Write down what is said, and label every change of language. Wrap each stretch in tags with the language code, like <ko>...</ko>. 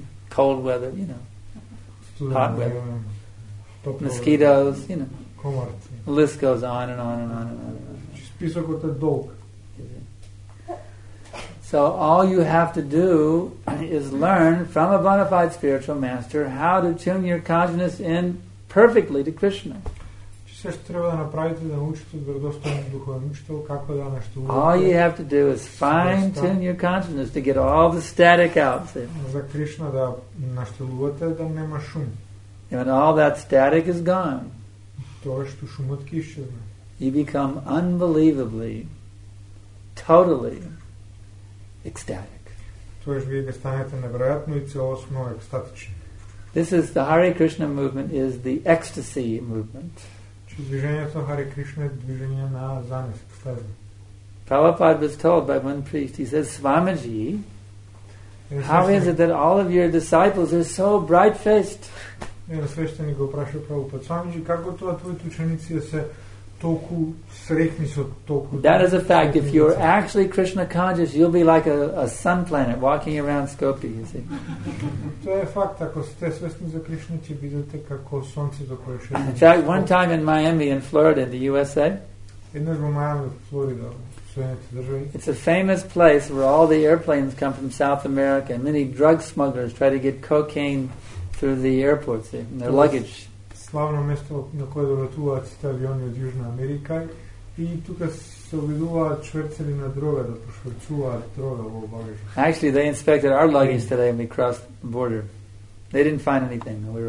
<en>Cold weather, you know. Hot weather. Mosquitoes, you know. The list goes on and on and on and on. So all you have to do is learn from a bona fide spiritual master how to tune your consciousness in perfectly to Krishna.</en> <mk>Се треба да направите да научите вредостојен духовен учител како да наштуваме.</mk> <en>All you have to do is fine tune your consciousness to get all the static out.</en> <mk>За Кришна да наштувате да нема шум.</mk> <en>And all that static is gone.</en> <mk>Тоа што шумот ќе исчезне.</mk> <en>You become unbelievably, totally ecstatic.</en> <mk>Тоа што вие станете неверојатно и целосно екстатични.</mk> <en>This is the Hare Krishna movement is the ecstasy movement.</en> <mk>Движението Хари Кришна е движение на занес, екстази.</mk> <en>Prabhupada was told by one priest, he says, Swamiji, how is it that all of your disciples are so bright-faced?</en> <mk>Еден свещеник го праша Prabhupada, Swamiji, како тоа твоите ученици се толку срекни со толку...</mk> <en>That is a fact. If you're actually Krishna conscious, you'll be like a sun planet walking around Skopje, you see.</en> <mk>Тоа е факт. Ако сте свестни за Кришна, ќе бидете како сонце до кое ше...</mk> <en>In fact, one time in Miami, in Florida, in the USA,</en> <mk>еднаш во Майами, во Флорида, Соединените држави,</mk> <en>it's a famous place where all the airplanes come from South America and many drug smugglers try to get cocaine through the airport, see, in their luggage.</en> <mk>Славно место на кое долетуваат сите авиони од Јужна Америка и тука се обидуваат чверцери на дрога да прошверцуваат дрога во багажот.</mk> <en>Actually, they inspected our luggage today when we crossed the border. They didn't find anything.</en>